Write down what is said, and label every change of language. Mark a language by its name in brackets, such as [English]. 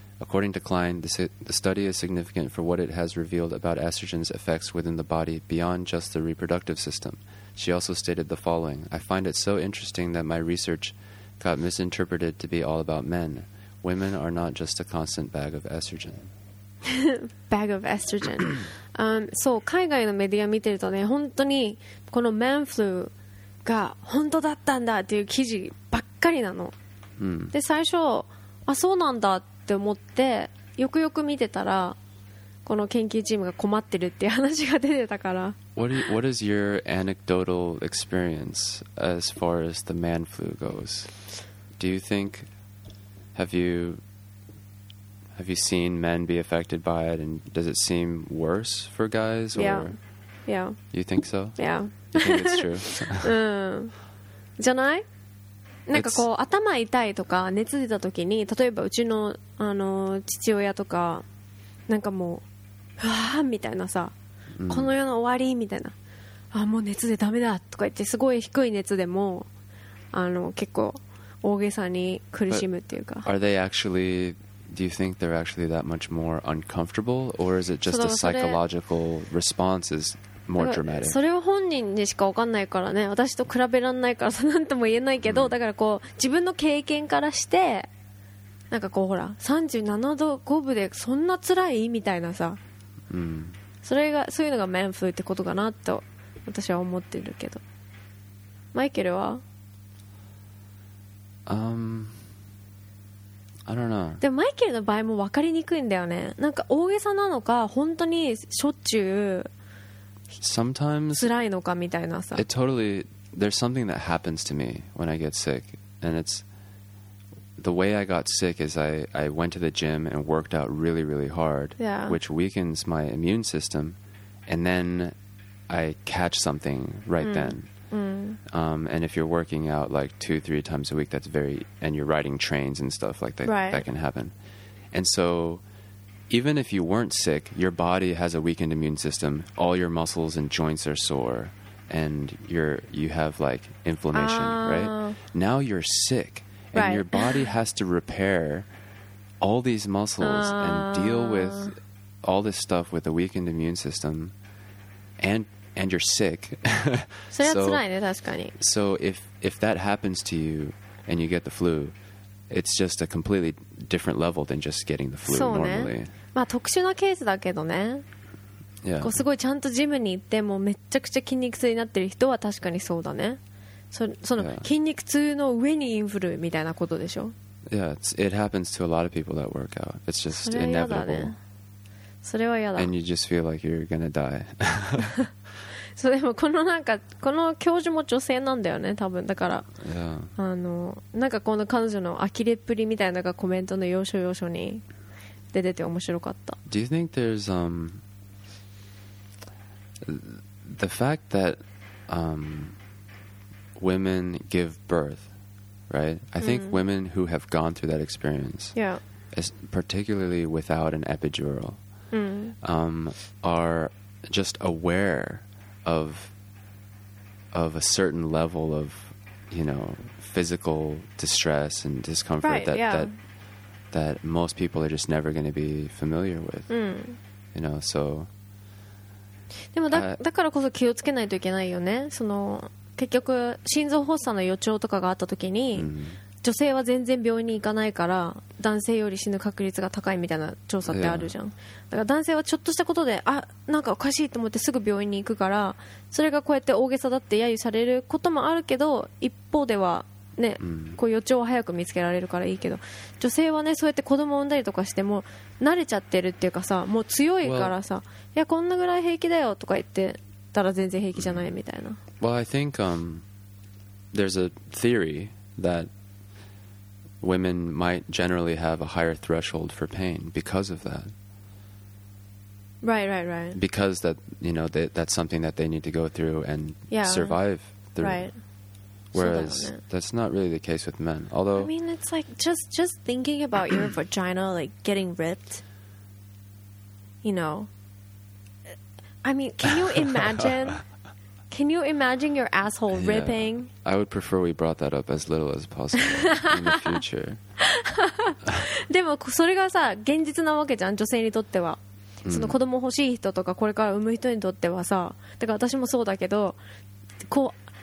[English] According to Klein, the study is significant for what it has revealed about estrogen's effects within the body beyond just the reproductive system. She also stated the following: I find it so interesting that my research got misinterpreted to be all about men. Women are not just a constant bag of estrogen. bag of estrogen. [Japanese] そう、海外のメディア見てるとね、本当にこのマンフルーが本当だったんだっていう記事ばっかりなの。で、最初、あ、そうなんだって思って、よくよく見てたら、この研究チームが困ってるっていう話が出てたから。 [English] What is your anecdotal experience as far as the man flu goes? Do you think, have you seen men be affected by it, and does it seem worse for guys? Or yeah. Yeah. You think so? Yeah. You think it's true? [Japanese] うん。じゃない？なんかこう、頭痛いとか熱出た時に、例えばうちの、あの、父親とか、なんかもう、わーみたいなさ、この世の終わりみたいな、あ、もう熱でダメだとか言って、すごい低い熱でも、あの、結構大げさに苦しむっていうか。 [English] Are they actually, do you think they're actually that much more uncomfortable, or is it just a psychological response is more dramatic? [Japanese] それは本人にしか分かんないからね、私と比べらんないからさ、なんとも言えないけど、だからこう自分の経験からして、なんかこうほら37度5分でそんな辛いみたいなさ、それが、そういうのがメンフルってことかなと私は思ってるけど、マイケルは、 [English] I don't know。 [Japanese] でもマイケルの場合も分かりにくいんだよね。なんか大げさなのか本当にしょっちゅう [English] Sometimes [Japanese] 辛いのかみたいなさ、 [English] It totally, there's something that happens to me when I get sick, and it's the way I got sick is I went to the gym and worked out really, really hard, yeah, which weakens my immune system, and then I catch something right then. And if you're working out like 2-3 times a week, that's very, and you're riding trains and stuff like that, right, that can happen. And so even if you weren't sick, your body has a weakened immune system, all your muscles and joints are sore, and you have like inflammation, right? Now you're sick. And right. your body has to repair all these muscles and deal with all this stuff with a weakened immune system, and you're sick. So if that happens to you and you get the flu, it's just a completely different level than just getting the flu normally. [Japanese] まあ特殊なケースだけどね。 [English] Yeah. [Japanese] こうすごいちゃんとジムに行ってもうめちゃくちゃ筋肉痛になってる人は確かにそうだね。その筋肉痛の上にインフルみたいなことでしょ。 [English] Yeah, it happens to a lot of people that work out. It's just [Japanese] それは [English] inevitable. [Japanese] それは嫌だ。 [English] And you just feel like you're gonna die. [Japanese] そうでもこのなんかこの教授も女性なんだよね多分だから、 [English] yeah. [Japanese] あのなんかこの彼女の呆れっぷりみたいなのがコメントの要所要所に出てて面白かった。 [English] Do you think there's the fact that women give birth, right? I think women who have gone through that experience, particularly without an epidural, are just aware of a certain level of, you know, physical distress and discomfort that most people are just never going to be familiar with. You know, so. [Japanese] でも だからこそ気をつけないといけないよね。その結局心臓発作の予兆とかがあった時に、女性は全然病院に行かないから男性より死ぬ確率が高いみたいな調査ってあるじゃん。だから男性はちょっとしたことで、あ、なんかおかしいと思ってすぐ病院に行くから、それがこうやって大げさだって揶揄されることもあるけど、一方ではね、こう予兆を早く見つけられるからいいけど、女性はね、そうやって子供を産んだりとかしても慣れちゃってるっていうかさ、もう強いからさ、いやこんなぐらい平気だよとか言ってたら全然平気じゃないみたいな。 [English] Well, I think there's a theory that women might generally have a higher threshold for pain because of that. Right, right, right. Because that, you know, that's something that they need to go through and survive through. Right. Whereas that's not really the case with men. Although, I mean, it's like just thinking about your vagina like getting ripped, you know. I mean, can you imagine? Can you imagine your asshole ripping? I would prefer we brought that up as little as possible in the future. [Japanese] でもそれがさ現実なわけじゃん、女性にとっては。その子供欲しい人とかこれから産む人にとってはさ、だから私もそうだけど、こう。